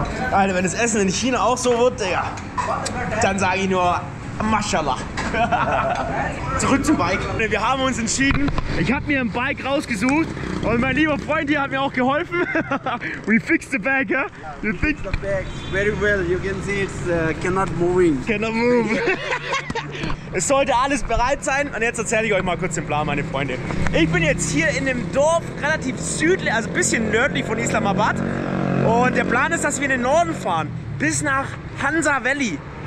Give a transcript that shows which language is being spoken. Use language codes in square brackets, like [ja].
[de] Alter, wenn das Essen in China auch so wird, Digga, dann sage ich nur, Mashallah. Zurück zum Bike. Wir haben uns entschieden. Ich habe mir ein Bike rausgesucht und mein lieber Freund hier hat mir auch geholfen. [en] We fixed the bike, huh? You fix the bike very well. You can see it's cannot moving. Cannot move. [de] Es sollte alles bereit sein und jetzt erzähle ich euch mal kurz den Plan, meine Freunde. Ich bin jetzt hier in einem Dorf, relativ südlich, also ein bisschen nördlich von Islamabad. Und der Plan ist, dass wir in den Norden fahren, bis nach Hansa Valley.